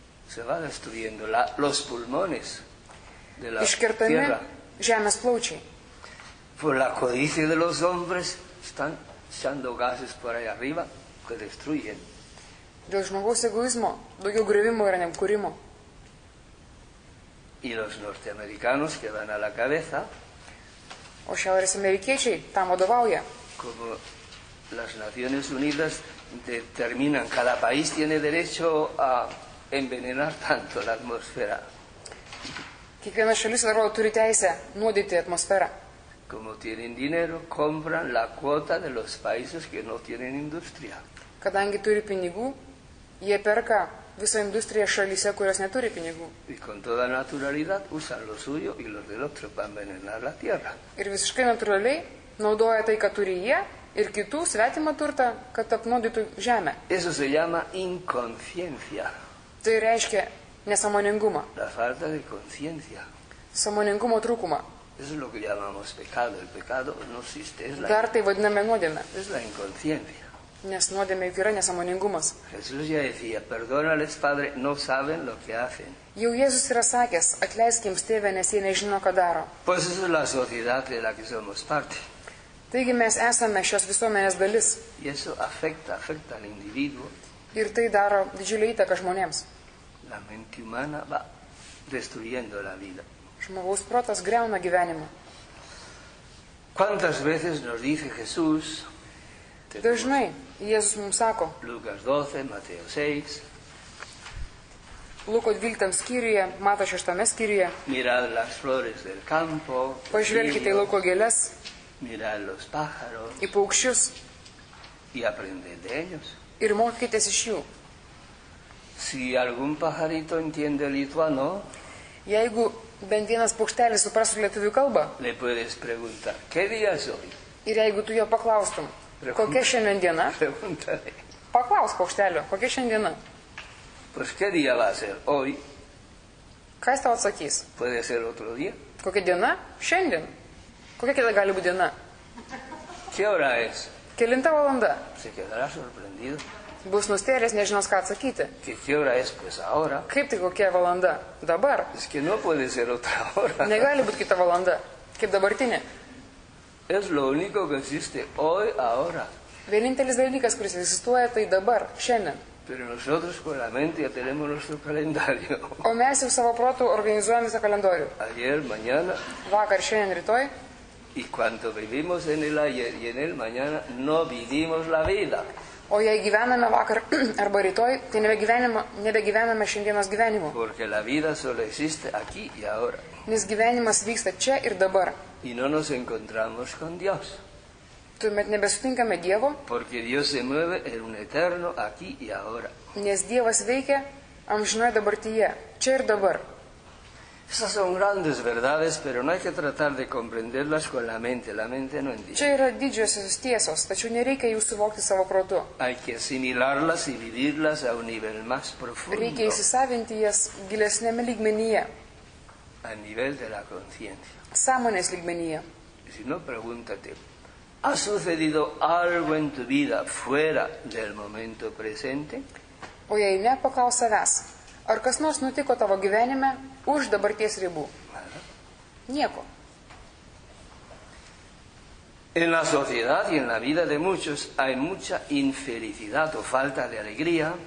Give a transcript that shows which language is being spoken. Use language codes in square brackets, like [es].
[es] Se va destruyendo los pulmones de la tierra. [lt] Iškertami žemės plaučiai. [es] por la codicia de los hombres, están echando gases por ahí arriba que destruyen. [lt] Dėl žmogaus egoizmo, daugiau grįvimo yra nekūrimo. [es] Y los norteamericanos que van a la cabeza, [lt] o šiaurės amerikiečiai tam vadovauja. [es] Como las Naciones Unidas determinan, cada país tiene derecho a envenenar tanto la atmósfera. [lt] Kiekviena šalis atrodo turi teisę nuodyti atmosferą. [es] Como tienen dinero, compran la cuota de los países que no tienen industria. [lt] Kadangi turi pinigų, jie perka visą industriją šalyse, kurios neturi pinigų. [es] Y con toda naturalidad usan lo suyo y lo del otro para envenenar la tierra. [lt] Ir visiškai natūraliai naudoja tai, ką turi jie, ir kitų svetimą turtą, kad apnuodytų žemę. [es] Eso se llama inconsciencia. [lt] Tai reiškia nesąmoningumą. [es] La falta de conciencia. [lt] Sąmoningumo trūkumą. [es] Eso es lo que llamamos pecado. El pecado no existe. Es la... [lt] Dar tai vadiname nuodėme. [es] Es la inconsciencia. [lt] Nes nuodėme yra nesąmoningumas. [es] Jesús ya decía, perdónales, Padre, no saben lo que hacen. [lt] Jau Jėzus yra sakęs, atleisk jiems, Tėve, nes jie nežino, ką daro. [es] Pues eso es la sociedad de la que somos parte. [lt] Taigi mes esame šios visuomenės dalis. [es] Y eso afecta al individuo. [lt] Ir tai daro didžiulį įtaką žmonėms. [es] La mente humana va destruyendo la vida. [lt] Žmogaus protas greuna gyvenimą. [es] ¿Cuántas veces nos dice Jesús? [lt] Dažnai Jėzus mums sako. [es] Lukas 12, Mateo 6. [lt] Luko 12 skyriuje, Mato 6 skyriuje. [es] Mirad las flores del campo. [lt] Pažvelkite į lauko gėles. [es] Mirad los pájaros. [lt] Į paukščius. [es] Y aprended de ellos. [lt] Ir mokytis iš jų. [es] Si algún pajarito entiende lituano, [lt] jeigu bent vienas paukštelis suprastų lietuvių kalbą, [es] le puedes preguntar, ¿qué día es hoy? [lt] Ir jeigu tu jo paklaustum, kokia šiandien diena? Paklaus paukštelio, kokia šiandien diena? [es] Pues, ¿qué día va a ser hoy? [lt] Kas tau atsakys? [es] Puede ser otro día. [lt] Kokia diena? Šiandien. Kokia kita gali būti diena? [es] ¿Qué hora es? [lt] Kelinta valanda. [es] Se quedará sorprendido. [lt] Bus nustėręs, nežinos, ką atsakyti. [es] ¿Qué hora es, pues, ahora? [lt] Kaip tai kokia valanda? Dabar. [es] Es que no puede ser otra hora. [lt] Negali būti kita valanda. Kaip dabartinė. [es] Es lo único que existe hoy, ahora. [lt] Vienintelis dalykas, kuris egzistuoja, tai dabar, šiandien. [es] Pero nosotros con la mente ya tenemos nuestro calendario. [lt] O mes jau savo protu organizuojame visą kalendorių. [es] Ayer, mañana. [lt] Vakar, šiandien, rytoj. [es] Y cuando vivimos en el ayer y en el mañana, no vivimos la vida. [lt] O jei gyvename vakar arba rytoj, tai nebegyvename šiandienos gyvenimo. [es] Porque la vida solo existe aquí y ahora. [lt] Nes gyvenimas vyksta čia ir dabar. [es] Y no nos encontramos con Dios. [lt] Tuomet nebesutinkame Dievo. [es] Porque Dios se mueve en un eterno aquí y ahora. [lt] Nes Dievas veikia amžinoj dabartyje, čia ir dabar. [es] Esas son grandes verdades, pero no hay que tratar de comprenderlas con la mente. La mente no entiende. [lt] Čia yra didžiosios tiesos, tačiau nereikia jų suvokti savo protu. [es] Hay que asimilarlas y vivirlas a un nivel más profundo. [lt] Reikia įsisavinti jas gilesnėme lygmenyje. [es] A nivel de la conciencia. [lt] Sąmonės lygmenyje. [es] Si no, pregúntate. ¿Ha sucedido algo en tu vida fuera del momento presente? [lt] O jei ne, paklaus savęs. Ar kas nors nutiko tavo gyvenime už dabarties ribų? Nieko. [es] En la sociedad y en la vida de muchos hay mucha infelicidad o falta de alegría.